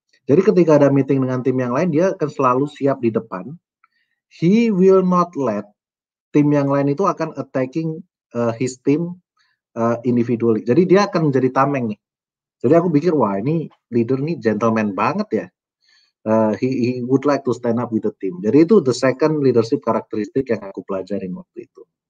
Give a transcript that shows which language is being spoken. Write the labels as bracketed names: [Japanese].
[Indonesian] Jadi ketika ada meeting dengan tim yang lain, dia akan selalu siap di depan. [English] He will not let [Indonesian] tim yang lain itu akan [English] attacking his team individually. [Indonesian] Jadi dia akan menjadi tameng nih. Jadi aku pikir, wah ini leader nih gentleman banget ya. [English] He would like to stand up with the team. [Indonesian] Jadi itu the second leadership karakteristik yang aku pelajari waktu itu.